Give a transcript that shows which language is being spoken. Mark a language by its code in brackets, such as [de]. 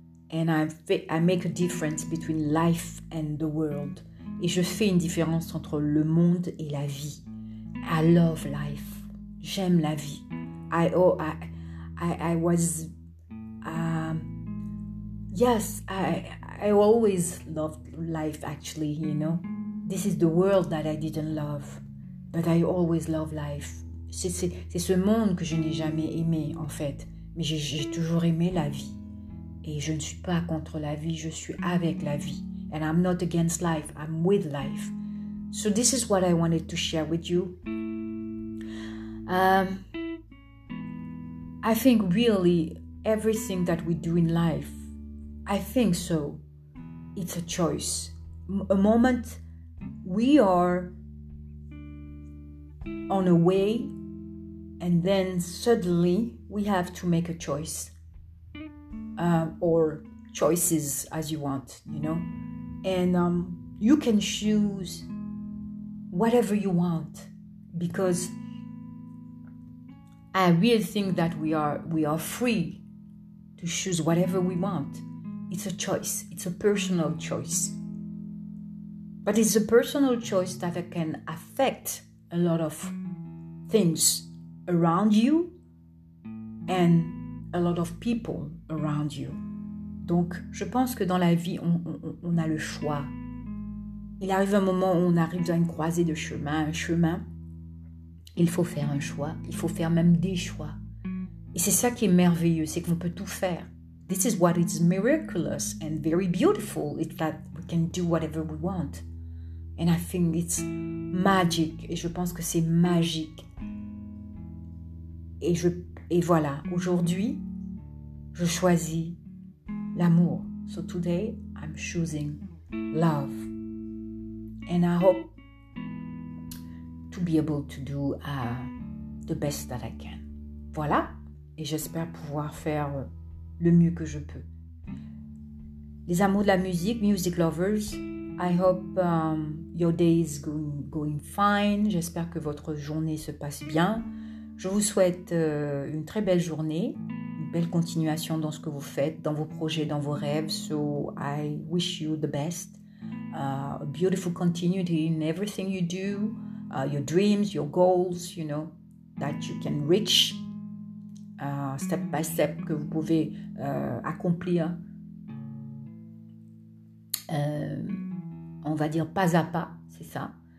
[en] And I make a difference between life and the world. [fr] Et je fais une différence entre le monde et la vie. [en] I love life. [fr] J'aime la vie. [en] I always loved life, actually, you know. This is the world that I didn't love. But I always love life. [fr] C'est ce monde que je n'ai jamais aimé, en fait. Mais j'ai toujours aimé la vie. Et je ne suis pas contre la vie, je suis avec la vie. [en] And I'm not against life, I'm with life. So this is what I wanted to share with you. I think really everything that we do in life, I think so, it's a choice. A moment we are on a way and then suddenly we have to make a choice. Or choices as you want, you know. And you can choose whatever you want because I really think that we are free to choose whatever we want. It's a choice. It's a personal choice. But it's a personal choice that can affect a lot of things around you and a lot of people around you. [fr] Donc, je pense que dans la vie, on a le choix. Il arrive un moment où on arrive dans une croisée de chemin, un chemin. Il faut faire un choix. Il faut faire même des choix. Et c'est ça qui est merveilleux, c'est qu'on peut tout faire. [en] This is what is miraculous and very beautiful. It's that we can do whatever we want. And I think it's magic. [fr] Et je pense que c'est magique. Et voilà, aujourd'hui, je choisis l'amour. [en] So today, I'm choosing love. And I hope to be able to do the best that I can. [fr] Voilà. Et j'espère pouvoir faire le mieux que je peux. Les amours de la musique, [en] music lovers, I hope your day is going fine. [fr] J'espère que votre journée se passe bien. Je vous souhaite une très belle journée. Belle continuation dans ce que vous faites, dans vos projets, dans vos rêves. [en] So I wish you the best, a beautiful continuity in everything you do, your dreams, your goals, you know. that you can reach step by step, [fr] que vous pouvez accomplir, on va dire pas à pas, c'est ça.